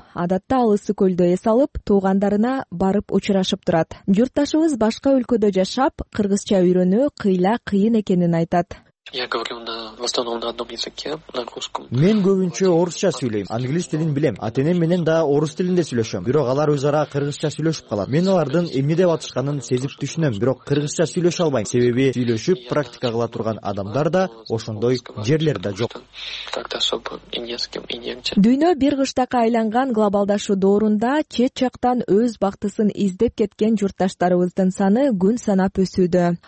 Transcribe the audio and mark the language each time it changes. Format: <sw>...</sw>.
<ky>Адатта ал ысык көлдө эс алып, туугандарына барып учурашып турат. Журташыбыз башка өлкөдө жашап, кыргызча үйрөнүү кыйла кыйын экенин айтат.</ky> <ru>Я говорю в основном на одном языке, на русском.</ru> <ky>Мен көбүнчө орусча сүйлөйм, англис тилин билем. Атенем менен да орус тилинде сүйлөшөм. Бирок алар өз ара кыргызча сүйлөшүп калат. Мен алардын эмне деп атышканын сезип түшүнөм, бирок кыргызча сүйлөшө албайм. Себеби сүйлөшүп практика кыла турган адамдар да ошондой жерлер да жок. Дүйнө бир кыштакка айланган глобалдашуу доорунда чет жактан өз бактысын издеп кеткен журташтарыбыздын саны күн санап өсүүдө.</ky>